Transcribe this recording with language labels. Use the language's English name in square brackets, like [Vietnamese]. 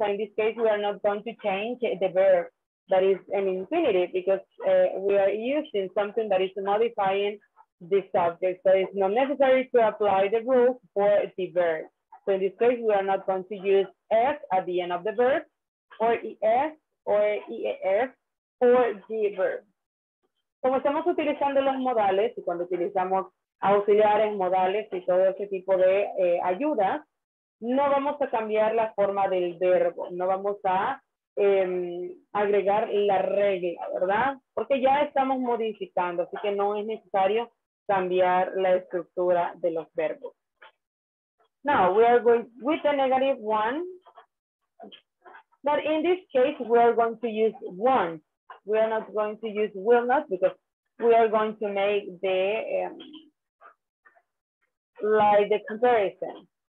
[English] So in this case, we are not going to change the verb that is an infinitive, because we are using something that is modifying the subject. So it's not necessary to apply the rules for the verb. So in this case, we are not going to use S at the end of the verb, or ES, or EAS, or the verb. [Spanish] Como estamos utilizando los modales, y cuando utilizamos auxiliares, modales, y todo ese tipo de ayudas, no vamos a cambiar la forma del verbo, no vamos a agregar la regla, ¿verdad? Porque ya estamos modificando, así que no es necesario cambiar la estructura de los verbos. [English] Now we are going with the negative one, but in this case we are going to use won't. We are not going to use will not, because we are going to make the like the comparison.